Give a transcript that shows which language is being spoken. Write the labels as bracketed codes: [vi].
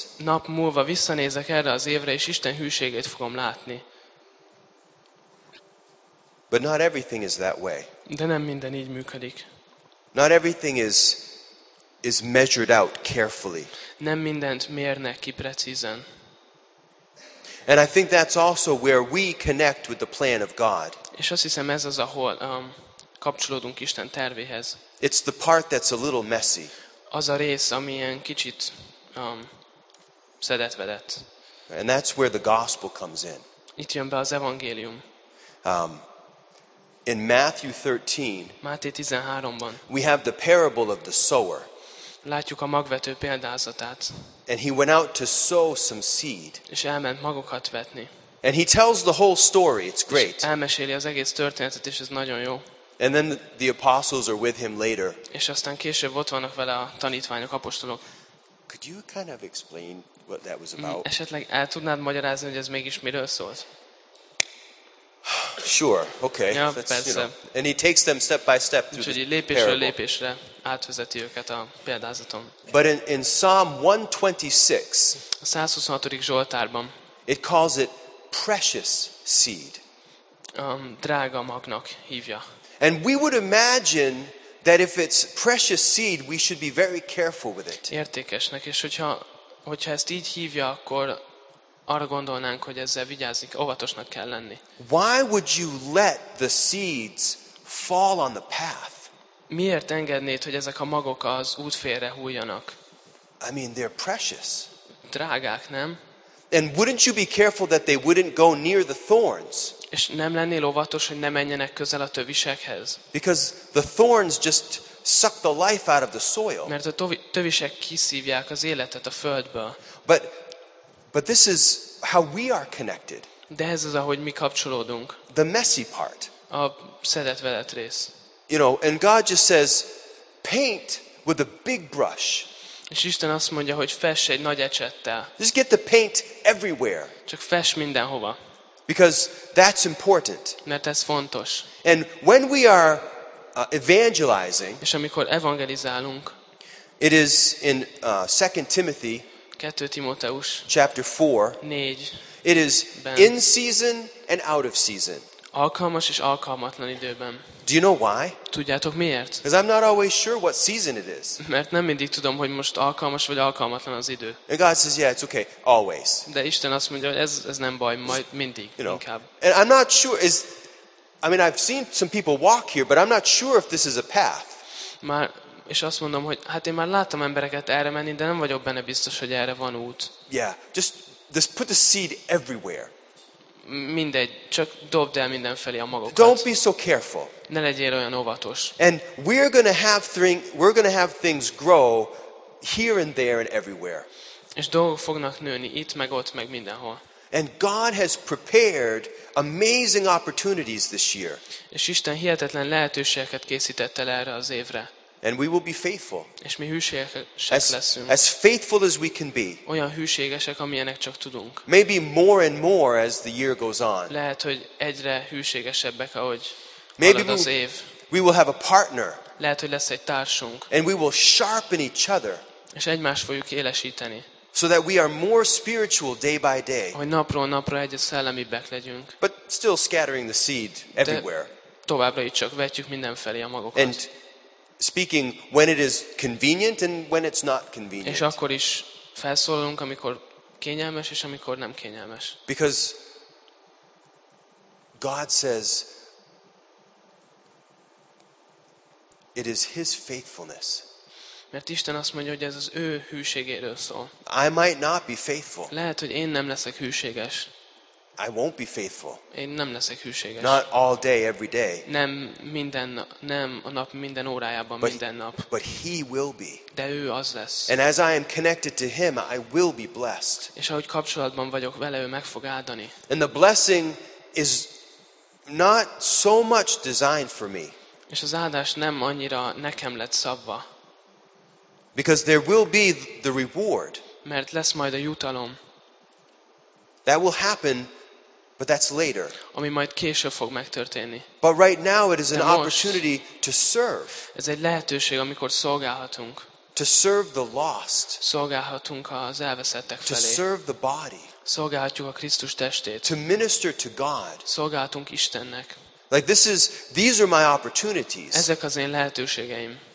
[hu] Nap múlva visszanézek erre az évre, és Isten hűségét fogom látni. [en] But not everything is that way. [hu] De nem minden így működik. [en] Not everything is measured out carefully. [hu] Nem mindent mérnek ki precízen. [en] And I think that's also where we connect with the plan of God. [hu] És azt hiszem ez az, ahol kapcsolódunk Isten tervéhez. [en] It's the part that's a little messy. [hu] Az a rész, ami ilyen kicsit szedetvedett. [en] And that's where the gospel comes in. [hu] Itt jön be az evangélium. [en] In Matthew 13, [hu] Máté 13-ban, [en] we have the parable of the sower. [hu] Látjuk a magvető példázatát. [en] And he went out to sow some seed. [hu] És elment magokat vetni. [en] And he tells the whole story. It's great. [hu] És elmeséli az egész történetet, és ez nagyon jó. [en] And then the apostles are with him later. [hu] És aztán később ott vannak vele a tanítványok, apostolok. [en] Could you kind of explain what that was about? [hu] Esetleg el tudnád magyarázni, hogy ez mégis miről szólt? [en] Sure. Okay. [hu] Ja, persze. [en] You know. And he takes them step by step through the parable. [hu] Lépésről lépésre átvezeti őket a példázaton. [en] But in Psalm 126, [hu] a 126. Zsoltárban, [en] it calls it precious seed. [hu] Drága magnak hívja. [en] And we would imagine that if it's precious seed, we should be very careful with it. [hu] Értékesnek, és hogyha ezt így hívja, akkor arra gondolnánk, hogy ezzel vigyázni, óvatosnak kell lenni. [en] Why would you let the seeds fall on the path? [hu] Miért engednéd, hogy ezek a magok az útfélre hulljanak? [en] I mean, they're precious. [hu] Drágák, nem? [en] And wouldn't you be careful that they wouldn't go near the thorns? [hu] És nem lennél óvatos, hogy ne menjenek közel a tövisekhez? [en] Because the thorns just suck the life out of the soil. [hu] Mert a tövisek kiszívják az életet a földből. [en] But this is how we are connected. [hu] De ez az, ahogy mi kapcsolódunk. [en] The messy part. [hu] a szedett velet rész. [en] You know, and God just says, paint with a big brush. [hu] És Isten azt mondja, hogy fess egy nagy ecsettel. [en] Just get the paint everywhere. [hu] Csak fess mindenhova. [en] Because that's important. [hu] Mert ez fontos. [en] And when we are evangelizing, [hu] és amikor evangelizálunk, [en] it is in 2 Timothy [hu] 2 Timóteus [en] chapter 4, [hu] 4. [en] It is in season and out of season. [hu] Alkalmas és alkalmatlan időben. [en] Do you know why? [hu] Tudjátok miért? [en] Because I'm not always sure what season it is. [hu] Mert nem mindig tudom, hogy most alkalmas vagy alkalmatlan az idő. [en] And God says, yeah, it's okay, always. [hu] De Isten azt mondja, hogy ez nem baj, majd mindig, [en] you know, [hu] inkább. [en] And I'm not sure is, I mean, I've seen some people walk here, but I'm not sure if this is a path. [hu] Már, és azt mondom, hogy hát én már láttam embereket erre menni, de nem vagyok benne biztos, hogy erre van út. [en] Yeah, just put the seed everywhere. [hu] Mindegy, csak dobd el mindenfelé a magokat. [en] Don't be so careful. [hu] Ne legyél olyan óvatos. [en] And we're gonna have things grow here and there and everywhere. [hu] És dolgok fognak nőni itt, meg ott, meg mindenhol. [en] And God has prepared amazing opportunities this year. [hu] És Isten hihetetlen lehetőségeket készített el erre az évre. [en] And we will be faithful. [hu] És mi hűségesek leszünk. [en] As faithful as we can be. [hu] Olyan hűségesek, amilyenek csak tudunk. [en] Maybe more and more as the year goes on. [hu] Lehet, hogy egyre hűségesebbek, ahogy halad az év. [en] We will have a partner. [hu] Lehet, hogy lesz egy társunk. [en] And we will sharpen each other. [hu] És egymást fogjuk élesíteni. [en] So that we are more spiritual day by day. [hu] Hogy napról napra egyre szellemibbek legyünk. [en] But still scattering the seed everywhere. [hu] De továbbra is csak vetjük mindenfelé a magokat. [en] And speaking when it is convenient and when it's not convenient. [hu] És akkor is felszólunk, amikor kényelmes és amikor nem kényelmes. [en] Because God says it is His faithfulness. [hu] Mert Isten azt mondja, hogy ez az ő hűségéről szól. [en] I might not be faithful. [hu] Lehet, hogy én nem leszek hűséges. [en] I won't be faithful. [hu] Én nem leszek hűséges. [en] Not all day, every day. [hu] Nem minden, nem a nap minden órájában, [en] but, [hu] minden nap. [en] But He will be. [hu] De ő az lesz. [en] And as I am connected to Him, I will be blessed. [hu] És ahogy kapcsolatban vagyok vele, ő meg fog áldani. [en] And the blessing is not so much designed for me. [hu] És az áldás nem annyira nekem lett szabva. [en] Because there will be the reward. [hu] Mert lesz majd a jutalom. [en] That will happen, but that's later. [hu] Ami majd később fog megtörténni. [en] But right now it is an opportunity to serve. [hu] Ez egy lehetőség, amikor szolgálhatunk. [en] To serve the lost. [hu] Szolgálhatunk az elveszettek felé. [en] To serve the body. [hu] Szolgálhatjuk a Krisztus testét. [en] To minister to God. [hu] Szolgálhatunk Istennek. [en] Like this is, these are my opportunities. [hu] Ezek az én lehetőségeim.